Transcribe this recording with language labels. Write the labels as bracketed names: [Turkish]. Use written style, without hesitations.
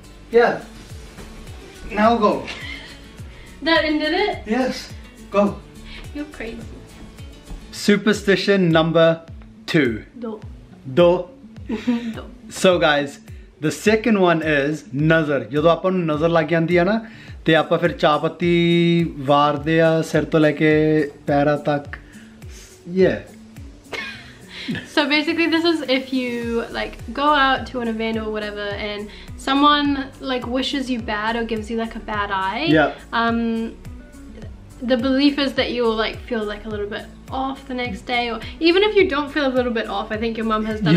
[English] Yeah. Now go. That ended it? Yes. Go. You're crazy. Superstition number two. Do. Do. Do. So guys, the second one is nazar. [Punjabi] Jadon apan nazar lag jandi hai na. ਤੇ ਆਪਾਂ ਫਿਰ ਚਾਹ ਪੱਤੀ ਵਾਰਦੇ ਆ ਸਿਰ ਤੋਂ ਲੈ ਕੇ ਪੈਰਾਂ ਤੱਕ ਯੇ [English] So basically this is if you like go out to an event or whatever and someone like wishes you bad or gives you like a bad eye the belief is that you will like feel like a little bit off the next day or even if you don't feel a little bit off I think your mom has done